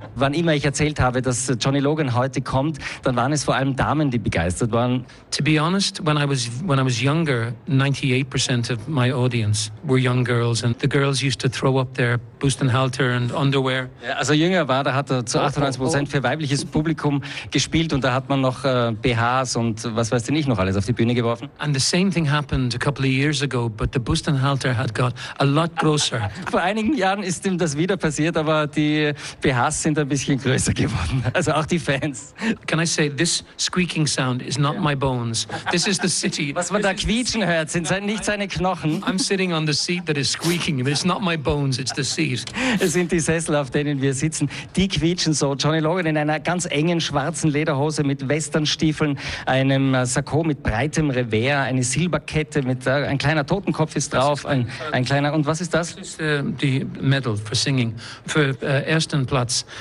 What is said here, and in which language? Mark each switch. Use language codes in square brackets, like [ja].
[de] Wann immer ich erzählt habe, dass Johnny Logan heute kommt, dann waren es vor allem Damen, die begeistert waren. [en] To be honest, when I was younger, 98% of my audience were young girls and the girls used to throw up their Bustenhalter and underwear. [de] Ja, also jünger war, da hat er zu 98% für weibliches Publikum gespielt und da hat man noch BHs und was weiß ich nicht noch alles auf die Bühne geworfen. [en] And the same thing happened a couple of years ago, but the Bustenhalter had got a lot closer. [de] Vor einigen Jahren ist ihm das wieder passiert, aber die BHs sind ein bisschen größer geworden, also auch die Fans. [en] Can I say, this squeaking sound is not my bones. This is the city. [de] Was man da quietschen hört, sind nicht seine Knochen. [en] I'm sitting on the seat that is squeaking, but it's not my bones, it's the seat. [de] Es sind die Sessel, auf denen wir sitzen, die quietschen so. Johnny Logan in einer ganz engen schwarzen Lederhose mit Westernstiefeln, einem Sakko mit breitem Revers, eine Silberkette, mit ein kleiner Totenkopf ist drauf, ein kleiner, und was ist das? Das ist die [en] Medal for singing, [de] für ersten Platz.